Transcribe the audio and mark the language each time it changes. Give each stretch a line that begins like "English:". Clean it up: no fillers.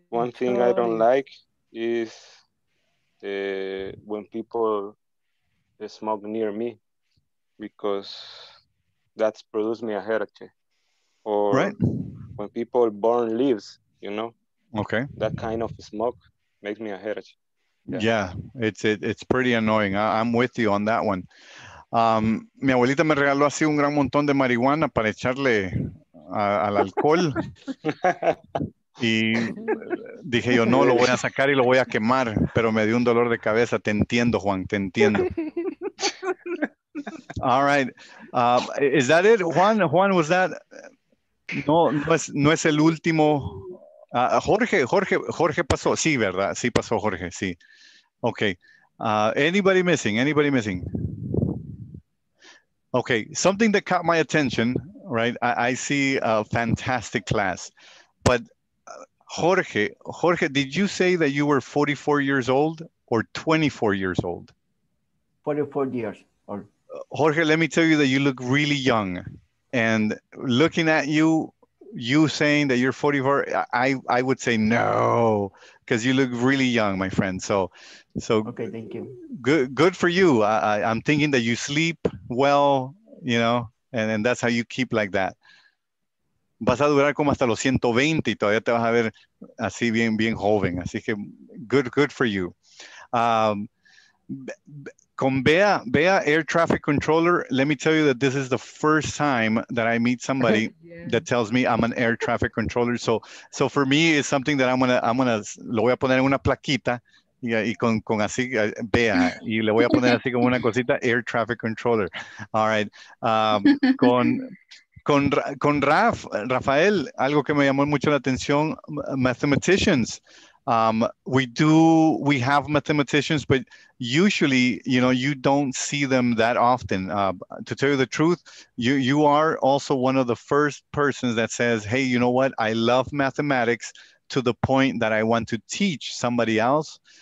English: One thing I don't like is when people smoke near me because that's produced me a headache. Or right. When people burn leaves, you know? Okay. That kind of smoke makes me a headache. Yeah. It's pretty annoying. I'm with you on that one.
Spanish: Mi abuelita me regaló así un gran montón de marihuana para echarle al alcohol y dije yo no lo voy a sacar y lo voy a quemar, pero me dio un dolor de cabeza. Te entiendo, Juan, te entiendo.
English: All right, is that it, Juan, was that
Spanish: no es el último? Jorge pasó, sí, verdad, sí pasó Jorge, sí.
English: Okay, anybody missing? Okay, something that caught my attention, right? I see a fantastic class. But Jorge, did you say that you were 44 years old or 24 years old? 44 years old. Jorge, let me tell you that you look really young. And looking at you, you saying that you're 44, I would say no, because you look really young, my friend. So okay, thank you. Good for you. I'm thinking that you sleep well, you know, and that's how you keep like that.
Spanish: Vas a durar como hasta los 120 y todavía te vas a ver así bien, bien joven. Así que
English: good for you. Con Bea, air traffic controller, let me tell you that this is the first time that I meet somebody yeah. that tells me I'm an air traffic controller. So for me, it's something that I'm gonna
Spanish: lo voy a poner en una plaquita y con así, Bea, y le voy a poner así como una cosita, air traffic controller.
English: All right.
Spanish: con Rafael, algo que me llamó mucho la atención, mathematicians.
English: We have mathematicians, but usually, you know, you don't see them that often. To tell you the truth, you are also one of the first persons that says, hey, you know what? I love mathematics to the point that I want to teach somebody else.